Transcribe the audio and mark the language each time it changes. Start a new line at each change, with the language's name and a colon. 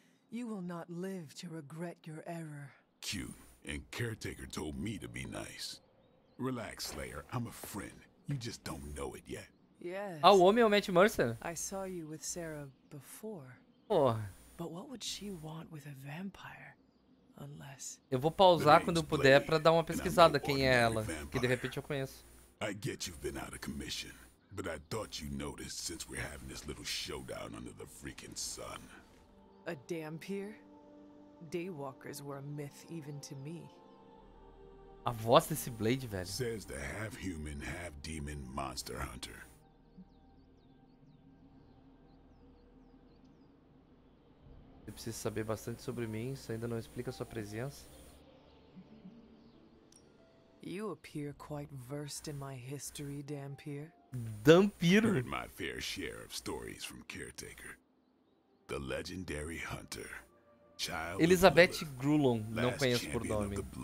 English: You will not live to regret your error. Cute. And Caretaker told me to be nice. Relax, Slayer. I'm a friend. You just don't know it yet. Yes.
Portuguese: Ah, o homem é o Matt Mercer.
English: I saw you with Sarah before. Oh. But what would she want with a vampire? Unless.
Portuguese: Eu vou pausar quando eu puder para dar uma pesquisada quem é ela, que de repente eu conheço.
English: I get you've been out of commission, but I thought you noticed since we're having this little showdown under the freaking sun. A dampier? Daywalkers were a myth even to me.
Portuguese: A voz desse Blade, velho.
English: Says the half-human, half-demon monster hunter.
Portuguese: Você precisa saber bastante sobre mim, isso ainda não explica sua presença.
English: You appear quite versed in my history, Dampier. Dampier. Heard my fair share of stories from Caretaker. The legendary hunter. Child
Portuguese: Elizabeth Grulon, não conheço por nome.